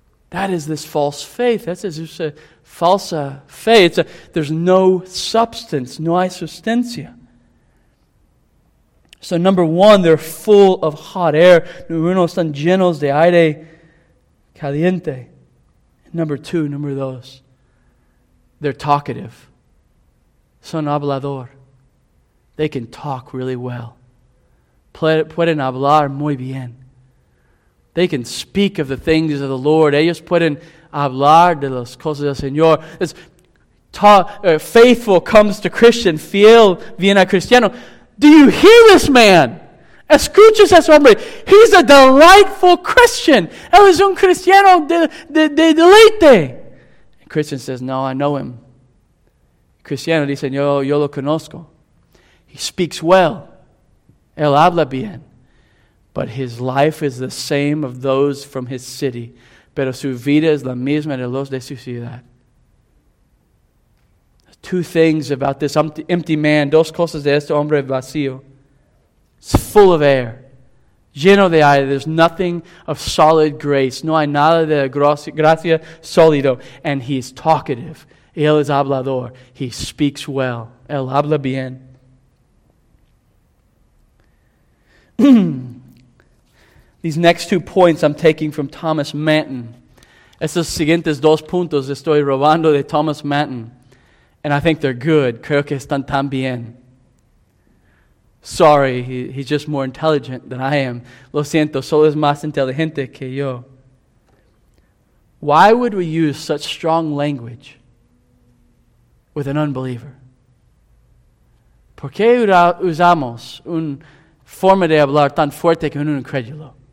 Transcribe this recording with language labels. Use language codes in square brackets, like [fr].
[en] That is this false faith. That's just a [es] falsa fe. [en] There's no substance. [es] No hay sustancia. [en] So number one, they're full of hot air. [es] Número uno, están llenos de aire caliente. [en] Number dos, they're talkative. [es] Son hablador. [en] They can talk really well. [es] Pueden hablar muy bien. [en] They can speak of the things of the Lord. [es] Ellos pueden hablar de las cosas del Señor. [en] Faithful comes to Christian. [es] Fiel viene a cristiano. [en] Do you hear this man? [es] Escuchas a ese hombre. [en] He's a delightful Christian. [es] Él es un cristiano de deleite. [en] Christian says, no, I know him. [es] Cristiano dice, yo lo conozco. [en] He speaks well. [es] Él habla bien. [en] But his life is the same of those from his city. [es] Pero su vida es la misma de los de su ciudad. [en] Two things about this empty man. [es] Dos cosas de este hombre vacío. [en] It's full of air. [es] Lleno de aire. [en] There's nothing of solid grace. [es] No hay nada de gracia sólido. [en] And he's talkative. [es] Él es hablador. [en] He speaks well. [es] Él habla bien. [en] These next two points I'm taking from Thomas Manton. [es] Estos siguientes dos puntos estoy robando de Thomas Manton. [en] And I think they're good. [es] Creo que están tan bien. [en] Sorry, he's just more intelligent than I am. [es] Lo siento, solo es más inteligente que yo. [en] Why would we use such strong language with an unbeliever? [es] ¿Por qué usamos un forma de hablar tan fuerte con un incrédulo?